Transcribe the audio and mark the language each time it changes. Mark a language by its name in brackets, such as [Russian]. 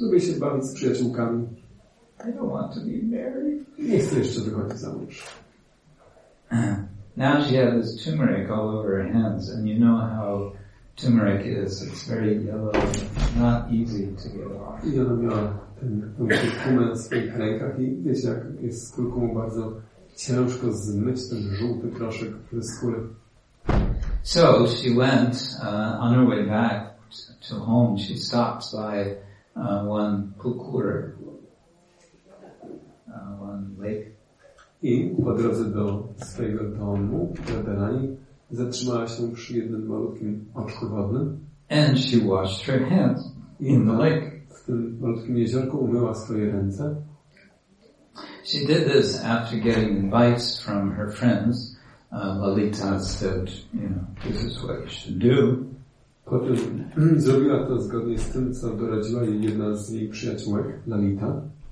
[Polish] Lubię się bawić z przyjaciółkami. [English] I don't want to be married. [Polish] Nie chcę jeszcze wychodzić za mąż. [English] Now she has this turmeric all over her hands, and you know how turmeric is. It's very yellow, not easy to get off. [Polish] I ona miała ten kumel w swoich rękach i wiecie, jak jest z kurkumą bardzo ciężko zmyć ten żółty proszek ze skóry. [English] So she went on her way back to home. She stops by one pukur, one lake. [Polish] I po drodze do swojego domu w Radarani zatrzymała się przy jednym malutkim oczku wodnym. [English] And she washed her hands in the lake. [Polish] W tym malutkim jeziorku umyła swoje ręce. [English] She did this after getting advice from her friends. Lalita said, you know, this is what you should do. [Polish] Potem zrobiła to zgodnie z tym, co doradziła jej jedna z jej przyjaciółek, Lalita.